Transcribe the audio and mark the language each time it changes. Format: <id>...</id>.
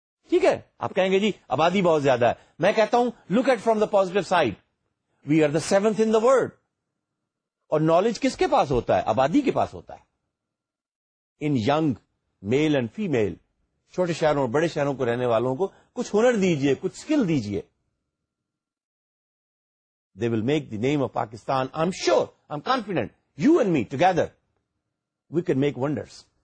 <ur>ٹھیک ہے, آپ کہیں گے جی آبادی بہت زیادہ ہے. میں کہتا ہوں</ur> <en>Look at from the positive side, we are the seventh in the world.</en> <ur>اور نالج کس کے پاس ہوتا ہے؟ آبادی کے پاس ہوتا ہے.</ur> <en>ان young male and female,</en> <ur>چھوٹے شہروں اور بڑے شہروں کو رہنے والوں کو کچھ ہنر دیجئے, کچھ سکل دیجئے,</ur> <en>They will make the name of Pakistan, I am sure, I am confident, you and me together we can make wonders.</en>